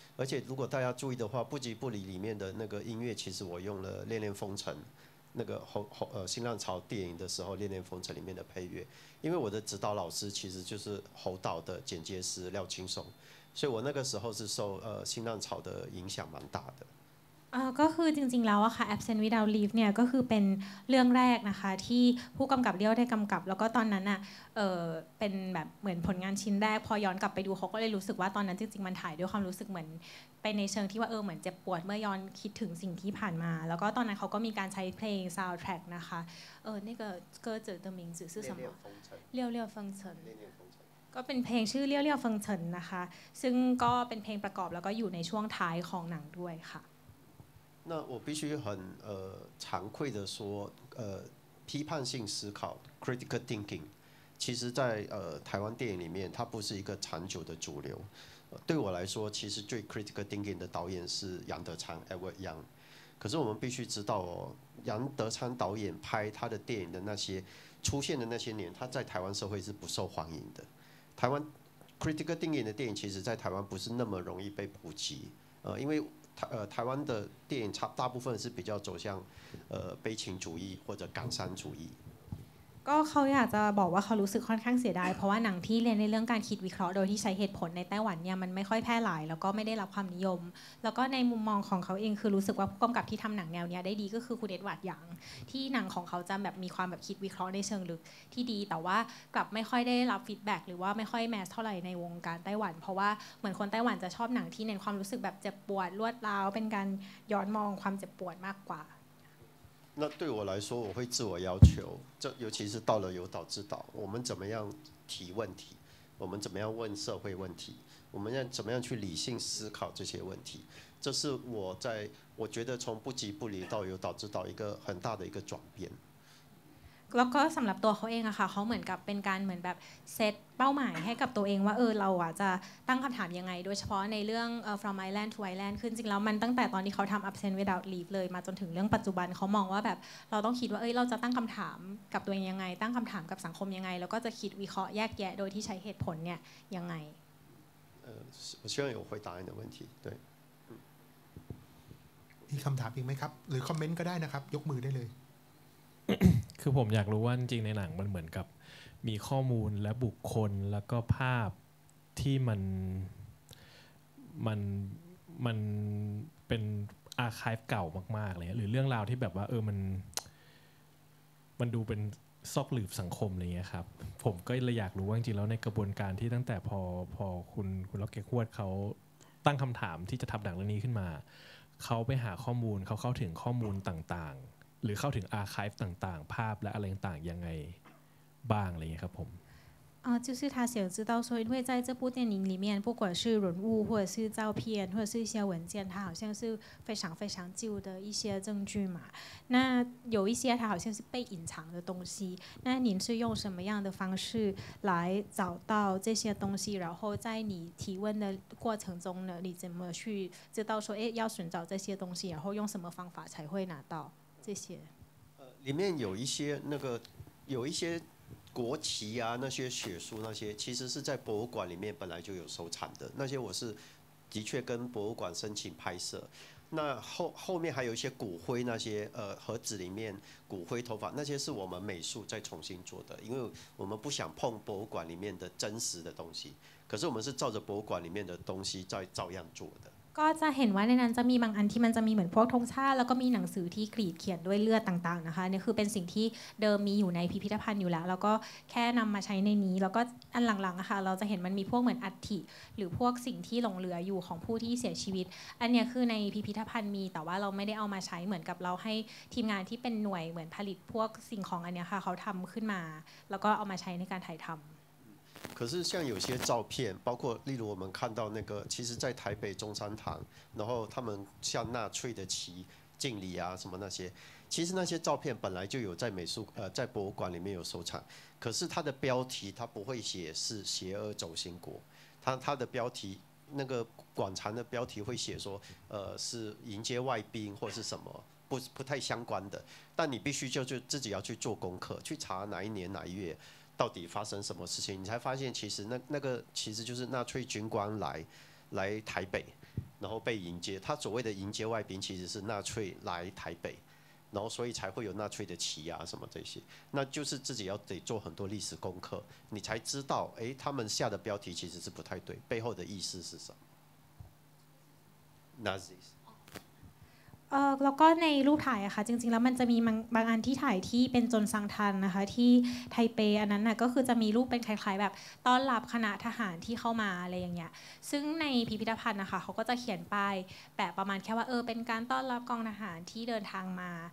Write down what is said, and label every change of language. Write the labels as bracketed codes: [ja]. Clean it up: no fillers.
[zh] 而且如果大家注意的话，不急不离里面的那个音乐，其实我用了《恋恋风尘》那个新浪潮电影的时候，《恋恋风尘》里面的配乐，因为我的指导老师其实就是侯导的剪接师廖青松，所以我那个时候是受新浪潮的影响蛮大的。 [th] ก็คือจริงๆแล้วอะค่ะ Absent Without Leave เนี่ยก็คือเป็นเรื่องแรกนะคะที่ผู้กำกับเลี้ยวได้กำกับแล้วก็ตอนนั้นอะเป็นแบบเหมือนผลงานชิ้นแรกพอย้อนกลับไปดูเขาก็เลยรู้สึกว่าตอนนั้นจริงๆมันถ่ายด้วยความรู้สึกเหมือนไปในเชิงที่ว่าเหมือนเจ็บปวดเมื่อย้อนคิดถึงสิ่งที่ผ่านมาแล้วก็ตอนนั้นเขาก็มีการใช้เพลงซาวด์แทร็กนะคะนี่ก็เกิดเจอตัวมิงซื่อสมองเลี้ยวเลี้ยวฟังเฉินก็เป็นเพลงชื่อเลี้ยวเลี้ยวฟังเฉินนะคะซึ่งก็เป็นเพลงประกอบแล้วก็อยู่ในช่วงท้ายของหนังด้วยค่ะ [zh] 那我必须很惭愧的说，批判性思考 [en] （critical thinking） [zh] 其实在台湾电影里面，它不是一个长久的主流。对我来说，其实最 [en] critical thinking [zh] 的导演是杨德昌 （Edward Yang）。可是我们必须知道哦，杨德昌导演拍他的电影的那些出现的那些年，他在台湾社会是不受欢迎的。台湾 [en] critical thinking [zh] 的电影其实在台湾不是那么容易被普及，因为台湾的电影大部分是比较走向悲情主义或者感伤主义。 [th] ก็เขาอยากจะบอกว่าเขารู้สึกค่อนข้างเสียดายเพราะว่าหนังที่เรียนในเรื่องการคิดวิเคราะห์โดยที่ใช้เหตุผลในไต้หวันเนี่ยมันไม่ค่อยแพร่หลายแล้วก็ไม่ได้รับความนิยมแล้วก็ในมุมมองของเขาเองคือรู้สึกว่าผู้กำกับที่ทำหนังแนวเนี้ยได้ดีก็คือคุณเอ็ดวาร์ดหยางที่หนังของเขาจะแบบมีความแบบคิดวิเคราะห์ในเชิงลึกที่ดีแต่ว่ากลับไม่ค่อยได้รับฟีดแบ็กหรือว่าไม่ค่อยแมสเท่าไหร่ในวงการไต้หวันเพราะว่าเหมือนคนไต้หวันจะชอบหนังที่เน้นความรู้สึกแบบเจ็บปวดรวดราวเป็นการย้อนมองความเจ็บปวดมากกว่า [zh] 那对我来说，我会自我要求，这尤其是到了有岛之岛，我们怎么样提问题，我们怎么样问社会问题，我们要怎么样去理性思考这些问题，这是我在我觉得从不急不离到有岛之岛一个很大的一个转变。 [th] แล้วก็สำหรับตัวเขาเองอะค่ะเขาเหมือนกับเป็นการเหมือนแบบเซตเป้าหมายให้กับตัวเองว่าเราอะจะตั้งคำถามยังไงโดยเฉพาะในเรื่อง from island to island ขึ้นจริงแล้วมันตั้งแต่ตอนที่เขาทำ absent without leave เลยมาจนถึงเรื่องปัจจุบันเขามองว่าแบบเราต้องคิดว่าเราจะตั้งคำถามกับตัวเองยังไงตั้งคำถามกับสังคมยังไงแล้วก็จะคิดวิเคราะห์แยกแยะโดยที่ใช้เหตุผลเนี่ยยังไง [zh] 我希望有回答你的问题对 [th] มีคำถามอีกไหมครับหรือคอมเมนต์ก็ได้นะครับยกมือได้เลย คือผมอยากรู้ว่าจริงในหนังมันเหมือนกับมีข้อมูลและบุคคลแล้วก็ภาพที่มันเป็นอาร์คีฟเก่ามากๆเลยหรือเรื่องราวที่แบบว่า มันดูเป็นซอกหลืบสังคมอะไรเงี้ยครับผมก็เลยอยากรู้ว่าจริงแล้วในกระบวนการที่ตั้งแต่พอคุณล็อกเก็ตควดเขาตั้งคำถามที่จะทำหนังเรื่องนี้ขึ้นมาเขาไปหาข้อมูลเขาเข้าถึงข้อมูลต่างหรือเข้าถึงอาร์คีฟต่างๆภาพและอะไรต่างๆยังไงบ้างอะไรเงี้ยครับผม [zh] 就是他想知道说因为在这部电影里面不管是人物或者是照片或者是一些文件他好像是非常非常旧的一些证据嘛那有一些他好像是被隐藏的东西那您是用什么样的方式来找到这些东西然后在你提问的过程中呢你怎么去知道说要寻找这些东西然后用什么方法才会拿到这些，里面有一些那个，有一些国旗啊，那些血书那些，其实是在博物馆里面本来就有收藏的。那些我是的确跟博物馆申请拍摄。那后面还有一些骨灰那些盒子里面骨灰头发那些是我们美术再重新做的，因为我们不想碰博物馆里面的真实的东西。可是我们是照着博物馆里面的东西在照样做的。 [th] ก็จะเห็นว่าในนั้นจะมีบางอันที่มันจะมีเหมือนพวกธงชาติแล้วก็มีหนังสือที่กรีดเขียนด้วยเลือดต่างๆนะคะนี่คือเป็นสิ่งที่เดิมมีอยู่ในพิพิธภัณฑ์อยู่แล้วแล้วก็แค่นำมาใช้ในนี้แล้วก็อันหลังๆนะคะเราจะเห็นมันมีพวกเหมือนอัฐิหรือพวกสิ่งที่หลงเหลืออยู่ของผู้ที่เสียชีวิตอันนี้คือในพิพิธภัณฑ์มีแต่ว่าเราไม่ได้เอามาใช้เหมือนกับเราให้ทีมงานที่เป็นหน่วยเหมือนผลิตพวกสิ่งของอันนี้ค่ะเขาทำขึ้นมาแล้วก็เอามาใช้ในการถ่ายทำ [zh] 可是像有些照片包括例如我们看到那个其实在台北中山堂然后他们向纳粹的旗敬礼啊什么那些其实那些照片本来就有在美术在博物馆里面有收藏可是它的标题它不会写是邪恶轴心国 它的标题那个馆藏的标题会写说是迎接外宾或是什么 不太相关的但你必须就自己要去做功课去查哪一年哪一月到底发生什么事情？你才发现，其实那个其实就是纳粹军官来台北，然后被迎接。他所谓的迎接外宾，其实是纳粹来台北，然后所以才会有纳粹的旗啊什么这些。那就是自己要得做很多历史功课，你才知道，他们下的标题其实是不太对，背后的意思是什么 ？Nazis。 [th] แล้วก็ในรูปถ่ายอะค่ะจริงๆแล้วมันจะมีบางอันที่ถ่ายที่เป็นจนซังทันนะคะที่ไทเปอันนั้นน่ะก็คือจะมีรูปเป็นคล้ายๆแบบต้อนรับคณะทหารที่เข้ามาอะไรอย่างเงี้ยซึ่งในพิพิธภัณฑ์นะคะเขาก็จะเขียนป้ายแบบประมาณแค่ว่าเป็นการต้อนรับกองทหารที่เดินทางมา